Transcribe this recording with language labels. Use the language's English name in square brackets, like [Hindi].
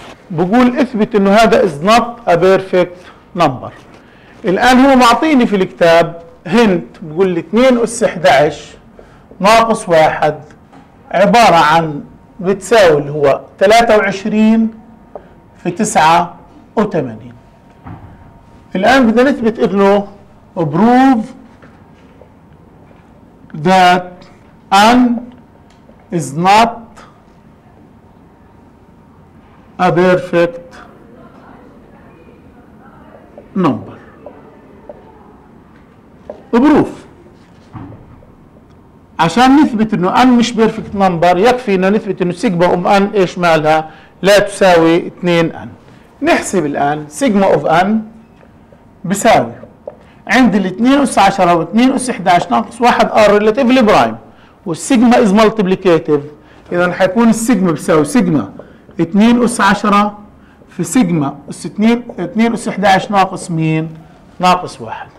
[Arabic] بقول اثبت انه هذا [English] Is not a perfect number. [Arabic] الان هو معطيني في الكتاب هنت، بقول لي 2 اس 11 ناقص 1 عباره عن بتساوي اللي هو 23 في 89. الآن بدنا نثبت إنه [English] prove that n is not a perfect number. [Arabic] prove عشان نثبت إنه n مش perfect number يكفي إنه نثبت إنه [English] sigma of n [Arabic] إيش مالها لا تساوي 2 n. نحسب الآن sigma of n بساوي عند ال 2 اس 10 و 2 اس 11 ناقص 1 [English] are relatively prime, [Arabic] والسيجما [English] is multiplicative, [Arabic] اذا حيكون السيجما بساوي سيجما 2 اس 10 في سيجما اس 2 اس 11 ناقص مين؟ ناقص 1.